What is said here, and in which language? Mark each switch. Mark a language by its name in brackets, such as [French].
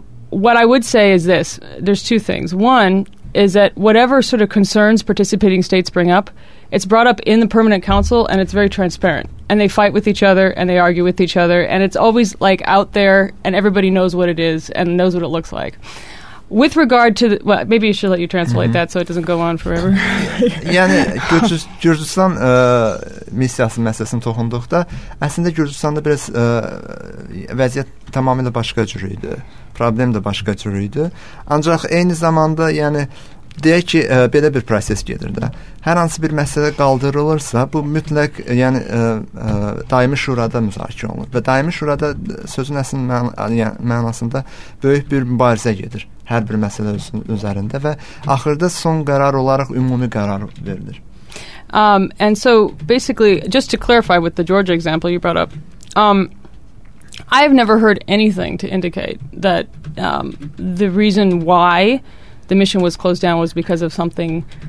[English] What I would say is this, there's two things. One is that whatever sort of concerns participating states bring up, it's brought up in the Permanent Council, and it's very transparent. And they fight with each other, and they argue with each other, and it's always, like, out there, and everybody knows what it is and knows what it looks like. With regard to the, well, maybe you should let you translate that so it doesn't go on forever. [Azerbaijani] Yəni, Gürcüstan missiyasının məsələsini toxunduqda, əslində Gürcüstanda biraz vəziyyət tamamilə başqa cür idi. Problem də başqa cür idi. Ancaq eyni zamanda, yəni, deyək ki, belə bir proses gedir də. Hər hansı bir məsələ qaldırılırsa, bu mütləq, yəni, daimi şurada müzakirə olunur. Və daimi şurada sözün əslində mənasında böyük bir mübarizə gedir hər bir məsələ üzərində və axırda son qərar olaraq ümumi qərar verilir. [English] And so, basically, just to clarify with the Georgia example you brought up, I have never heard anything to indicate that the reason why the mission was closed down was because of something